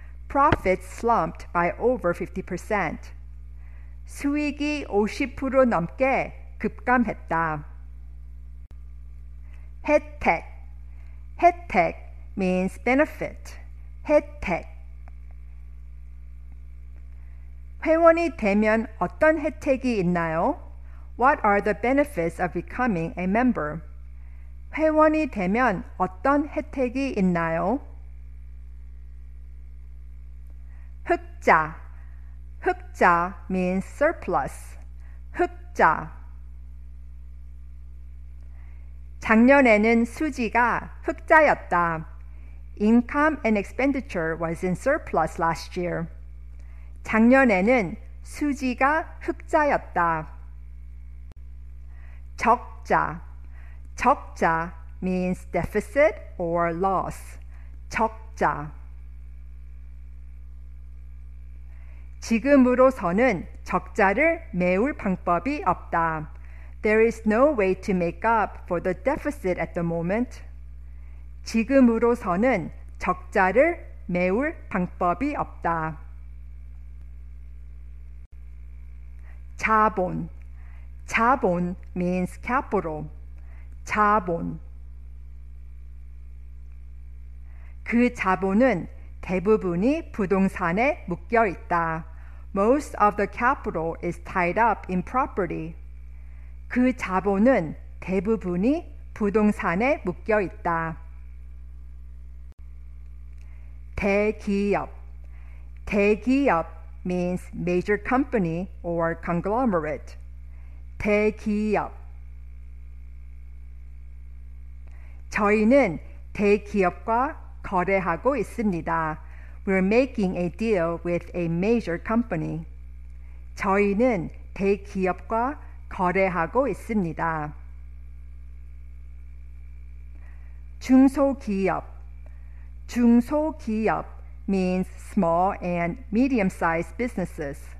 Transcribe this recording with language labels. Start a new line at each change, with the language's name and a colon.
English: Profit slumped by over 50%.
Korean: 수익이 50% 넘게 급감했다. 혜택. 혜택
English: means benefit.
Korean: 혜택. 회원이 되면 어떤 혜택이 있나요?
English: What are the benefits of becoming a member?
Korean: 회원이 되면 어떤 혜택이 있나요? 흑자. 흑자
English: means surplus.
Korean: 흑자. 작년에는 수지가 흑자였다.
English: Income and expenditure was in surplus last year.
Korean: 작년에는 수지가 흑자였다.
English: 적자. 적자 means deficit or loss. 적자.
Korean: 지금으로서는 적자를 메울 방법이 없다.
English: There is no way to make up for the deficit at the moment.
Korean: 지금으로서는 적자를 메울 방법이 없다. 자본. 자본
English: means capital.
Korean: 자본. 그 자본은 대부분이 부동산에 묶여 있다.
English: Most of the capital is tied up in property.
Korean: 그 자본은 대부분이 부동산에 묶여 있다.
English: 대기업. 대기업 means major company or conglomerate. 대기업.
Korean: 저희는 대기업과 거래하고 있습니다.
English: We're making a deal with a major company.
Korean: 저희는 대기업과 거래하고 있습니다.
English: 중소기업. 중소기업 means small and medium-sized businesses.